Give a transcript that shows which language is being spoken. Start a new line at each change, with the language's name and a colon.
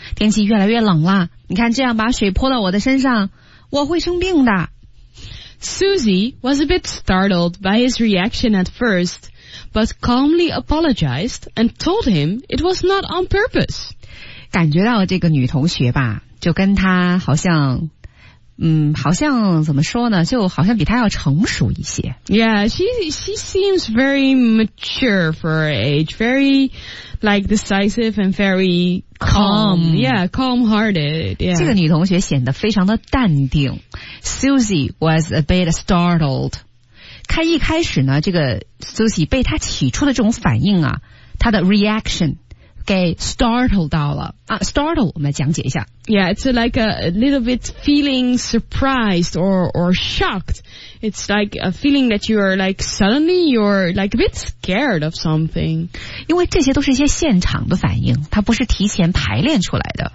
Chinese: 天气越来越冷了你看这样把水泼到我的身上我会生病的。
English: Susie was a bit startled by his reaction at first, but calmly apologized and told him it was not on purpose.
Chinese: 感觉到这个女同学吧就跟她好像好像怎么说呢就好像比他要成熟一些
English: Yeah, she seems very mature for her age Very like decisive and very calm Yeah, calm-hearted、yeah.
Chinese: 这个女同学显得非常的淡定
English: Susie was a bit startled
Chinese: 一开始呢这个 Susie 被她起初的这种反应啊她的 reaction给 startled 到了、startled 我们来讲解一下
English: Yeah, it's like a little bit feeling surprised or shocked It's like a feeling that you are like suddenly you're like a bit scared of something
Chinese: 因为这些都是一些现场的反应它不是提前排练出来的